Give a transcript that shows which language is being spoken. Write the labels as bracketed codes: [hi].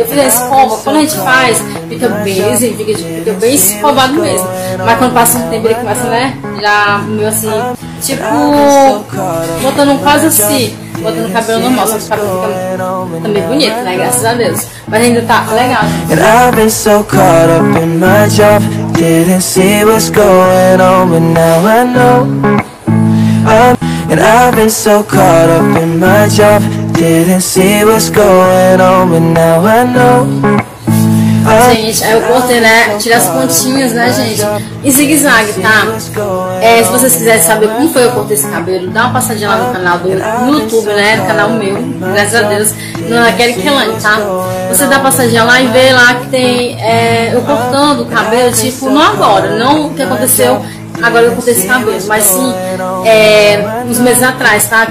[pt] Eu falei, escova, quando a gente faz, fica bem, fica bem escovado mesmo. Mas quando passa o tempo, ele começa, né? Já meio assim, tipo, botando quase assim, botando o cabelo normal, só que o cabelo fica também bonito, né? Graças a Deus. Mas ainda tá legal. [en] And I've been so caught up in my job. Didn't see what's going on, but now I know. And I've been so caught up in my job. Didn't see what's going on, but now I know. [pt] Gente, aí eu cortei, né? Tirei as pontinhas, né, gente? Em zigue-zague, tá? É, se vocês quiserem saber como foi eu cortei esse cabelo, dá uma passadinha lá no canal do YouTube, né? No canal meu, graças a Deus. Não é Kelly Kelani, tá? Você dá uma passadinha lá e vê lá que tem eu cortando o cabelo, tipo, não agora, não o que aconteceu agora eu cortei esse cabelo, mas sim uns meses atrás, tá?